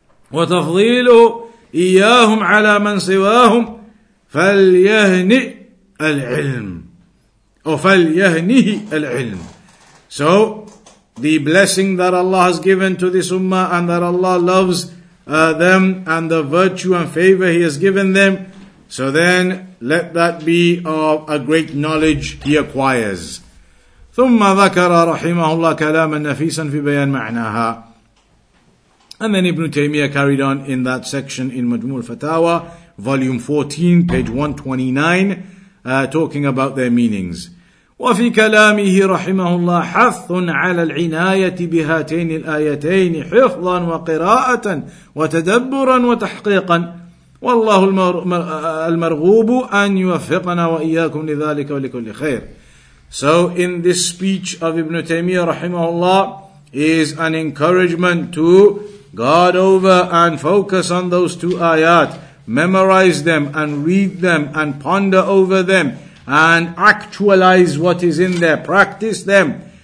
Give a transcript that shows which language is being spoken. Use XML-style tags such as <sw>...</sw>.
<ar>وَتَفْضِيلُ إِيَّاهُمْ عَلَى مَنْ سِوَاهُمْ فَلْيَهْنِئِ الْعِلْمِ فَلْيَهْنِهِ الْعِلْمِ.</ar> <en>So, the blessing that Allah has given to this ummah and that Allah loves them and the virtue and favor he has given them, so then let that be of a great knowledge he acquires.</en> <ar>ثم ذكر رحمه الله كلاما نفيسا في بيان معناها.</ar> <en>And then Ibn Taymiyyah carried on in that section in مجموع الفتاوى, volume 14, page 129, talking about their meanings.</en> <ar>وفي كلامه رحمه الله حث على العناية بهاتين الآيتين حفظا وقراءة وتدبرا وتحقيقا والله المرغوب أن يوفقنا وإياكم لذلك ولكل خير.</ar> <en>So in this speech of Ibn Taymiyyah rahimahullah is an encouragement to guard over and focus on those two ayat, memorize them and read them and ponder over them and actualize what is in there, practice them.</en>